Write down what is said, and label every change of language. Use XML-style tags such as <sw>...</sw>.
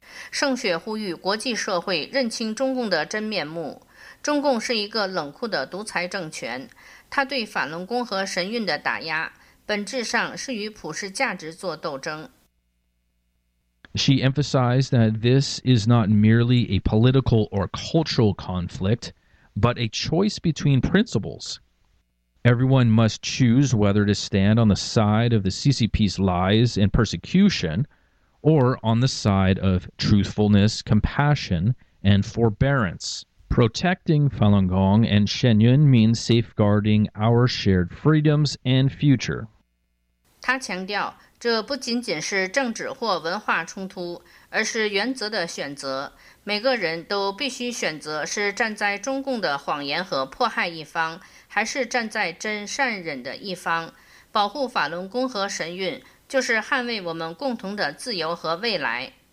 <zh>盛雪呼吁国际社会认清中共的真面目。中共是一个冷酷的独裁政权，它对法轮功和神韵的打压本质上是与普世价值做斗争。</zh> <en>She emphasized that this is not merely a political or cultural conflict, but a choice between principles. Everyone must choose whether to stand on the side of the CCP's lies and persecution, or on the side of truthfulness, compassion, and forbearance. Protecting Falun Gong and Shen Yun means safeguarding our shared freedoms and future.</en> <zh>他强调，这不仅仅是政治或文化冲突，而是原则的选择。每个人都必须选择是站在中共的谎言和迫害一方，还是站在真善忍的一方。保护法轮功和神韵，就是捍卫我们共同的自由和未来。</zh>